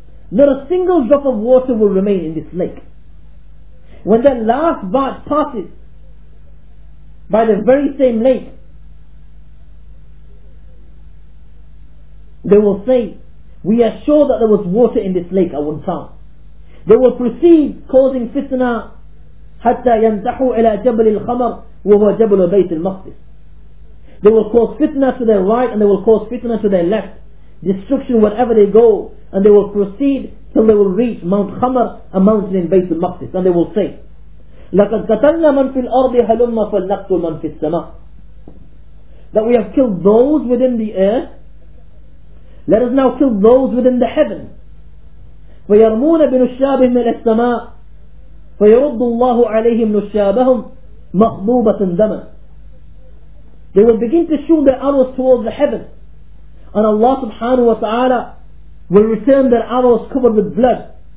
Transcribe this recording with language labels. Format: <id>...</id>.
<en>Not a single drop of water will remain in this lake. When that last batch passes by the very same lake, they will say, we are sure that there was water in this lake at one time. They will proceed causing fitna</en> <ar>حتى ينتحوا إلى جبل الخمر وهو جبل بيت المقدس.</ar> <en>They will cause fitna to their right and they will cause fitna to their left. Destruction wherever they go, and they will proceed till they will reach Mount Khamar, a mountain in Bayt al-Maqdis. And they will say,</en> <ar>لَقَدْ قَتَلْنَا مَنْ فِي الْأَرْضِ هَلُمَّ فَلْنَقْتُلْ مَنْ فِي السَّمَاءِ.</ar> <en>That we have killed those within the earth, let us now kill those within the heaven.</en> <ar>فَيَرْمُونَ بِنُشَّابِهِ مِنَ السَّمَاءِ فَيَرُضُّ اللَّهُ عَلَيْهِمْ نُشَّابَهُمْ مَخْضُوبَةً دَمًا.</ar> <en>They will begin to shoot their arrows towards the heaven, and Allah subhanahu wa ta'ala will return their arrows covered with blood.</en>